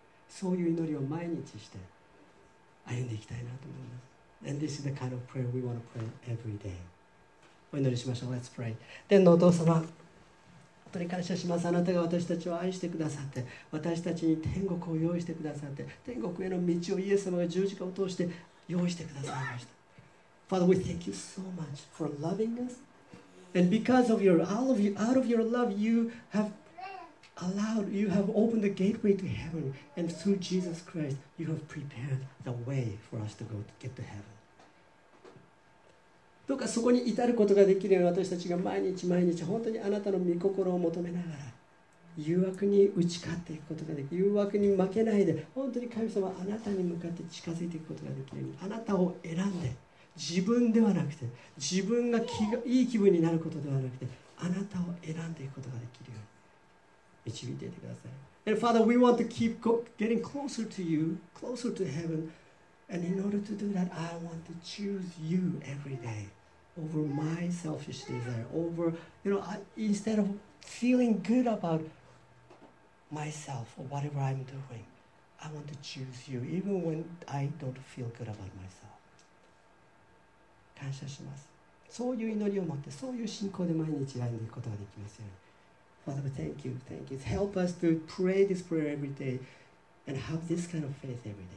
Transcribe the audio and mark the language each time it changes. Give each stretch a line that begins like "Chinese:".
Japanese: そういう祈りを毎日して歩んでいきたいなと思います。
English: And this is the kind of prayer we want to pray every day.
Japanese: お祈りしましょう。
English: Let's pray.
Japanese: 天のお父様、本当に感謝します。あなたが私たちを愛してくださって、私たちに天国を用意してくださって、天国への道をイエス様が十字架を通して用意してくださいました。
English: Father, we thank you so much for loving us. And because of out of your love, you have opened the gateway to heaven. And through Jesus Christ, you have prepared the way for us to go to get to heaven.
Japanese: どうかそこに至ることができるように私たちが毎日毎日本当にあなたの御心を求めながら誘惑に打ち勝っていくことができる、誘惑に負けないで本当に神様あなたに向かって近づいていくことができるように、あなたを選んで自分ではなくて自分 が, 気がいい気分になることではなくてあなたを選んでいくことができるように導いていてください。
English: And Father, we want to keep getting closer to you, closer to heaven. And in order to do that, I want to choose you every day over my selfish desire, over, you know, instead of feeling good about myself or whatever I'm doing, I want to choose you even when I don't feel good about myself.
Japanese: 感謝します。そういう祈りを持って、そういう信仰で毎日歩んでいくことができますように。
English: Father, thank you, thank you. Help us to pray this prayer every day and have this kind of faith every day.